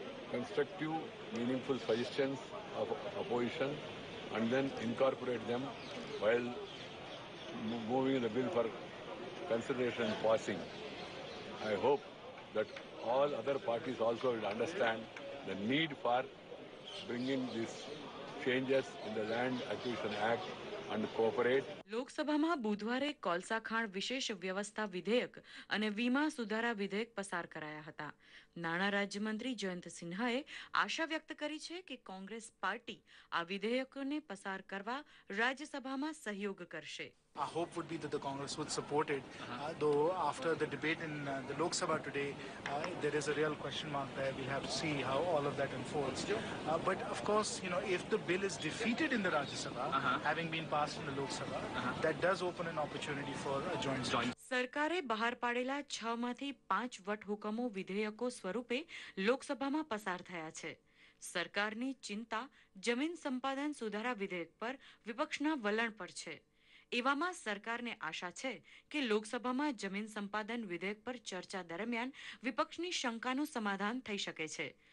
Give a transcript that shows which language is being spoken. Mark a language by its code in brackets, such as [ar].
[en] Constructive, meaningful suggestions of opposition and then incorporate them while moving the bill for consideration and passing. I hope that all other parties also will understand the need for bringing these changes in the Land Acquisition Act and cooperate. [gu] લોકસભામાં બુધવારે કોલસા ખાણ વિશેષ વ્યવસ્થા વિધેયક અને વીમા સુધારા વિધેયક પસાર કરાયા હતા। નાણાં રાજ્યમંત્રી જયંત સિન્હાએ આશા વ્યક્ત કરી છે કે કોંગ્રેસ પાર્ટી આ વિધેયકોને પસાર કરવા રાજ્યસભામાં સહયોગ કરશે। [en] Our hope would be that the Congress would support it, though after the debate in the Lok Sabha today, there is a real question mark there. We'll have to see how all of that unfolds. But of course, you know, if the bill is defeated in the Rajya Sabha, having been passed in the Lok Sabha, that does open an opportunity for a joint session. [gu] સરકારે બહાર પાડેલા 6માંથી 5 વટહુકમો વિધેયકો સ્વરૂપે લોકસભામાં પસાર થયા છે। સરકારની ચિંતા જમીન સંપાદન સુધારા વિધેયક પર વિપક્ષના વલણ પર છે। એવામાં સરકારને આશા છે કે લોકસભામાં જમીન સંપાદન વિધેયક પર ચર્ચા દરમિયાન વિપક્ષની શંકાનું સમાધાન થઈ શકે છે।